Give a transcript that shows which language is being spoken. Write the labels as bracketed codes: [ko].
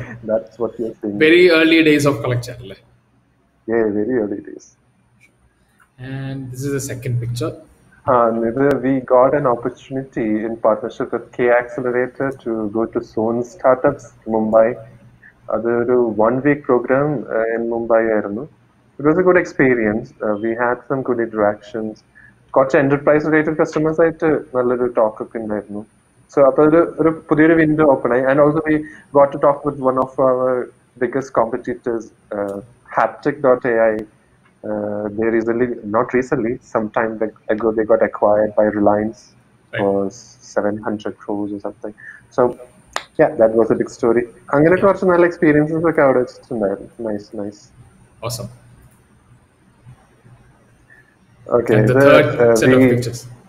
[en] That's what you're saying. Very early days of Collect.chat. Yeah, very early days. And this is the second picture. We got an opportunity in partnership with K Accelerator to go to Sohn Startups Mumbai. അതൊരു 1 week programme in Mumbai [ml] ആയിരുന്നു. [en] It was a good experience. We had some good interactions. [ml] കുറച്ച് enterprise related customers ആയിട്ട് നല്ലൊരു talk ഒക്കെ ഉണ്ടായിരുന്നു. So അപ്പൊ ഒരു പുതിയൊരു വിൻഡോ ഓപ്പൺ ആയി. [en] And also we got to talk with one of our biggest competitors, Haptik dot AI. They recently, not recently, some time ago they got acquired by Reliance for 700 crores or something. So yeah, that was a big story. Angela got some nice experiences with Kaudo. Nice. Awesome. Okay. And the third set of pictures.